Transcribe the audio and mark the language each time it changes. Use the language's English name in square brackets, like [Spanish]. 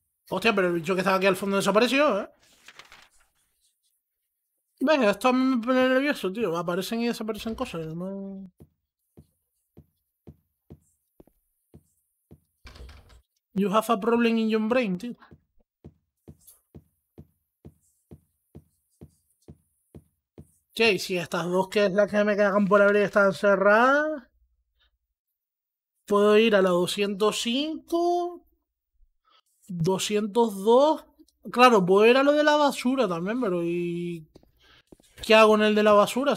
[Spanish] Hostia, pero el bicho que estaba aquí al fondo desapareció, ¿eh? Venga, esto me pone nervioso, tío. Aparecen y desaparecen cosas, ¿no? [English] You have a problem in your brain, tío. [Spanish] Che, y si estas dos, que es la que me cagan por abrir, están cerradas, puedo ir a la 205, 202. Claro, puedo ir a lo de la basura también, pero ¿y qué hago en el de la basura?